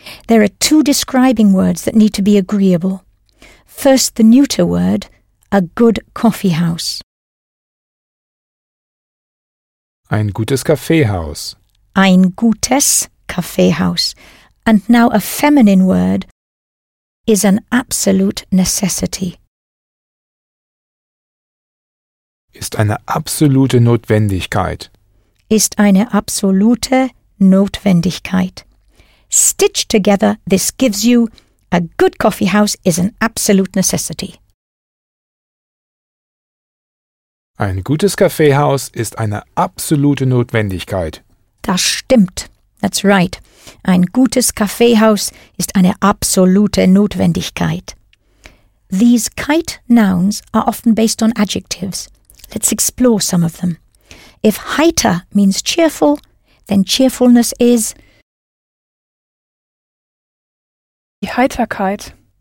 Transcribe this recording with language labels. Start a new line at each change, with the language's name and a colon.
English: There are two describing words that need to be agreeable. First, the neuter word, a good coffee house.
German: Ein gutes Kaffeehaus. Ein gutes Kaffeehaus.
English: And now a feminine word is an absolute necessity.
German: Ist eine absolute Notwendigkeit. Ist eine absolute Notwendigkeit.
English: Stitched together, this gives you a good coffee house is an absolute necessity.
German: Ein gutes Kaffeehaus ist eine absolute Notwendigkeit. Das stimmt.
English: That's right.
German: Ein gutes Kaffeehaus ist eine absolute Notwendigkeit.
English: These kite nouns are often based on adjectives. Let's explore some of them. If heiter means cheerful, then cheerfulness is...
German: Die Heiterkeit.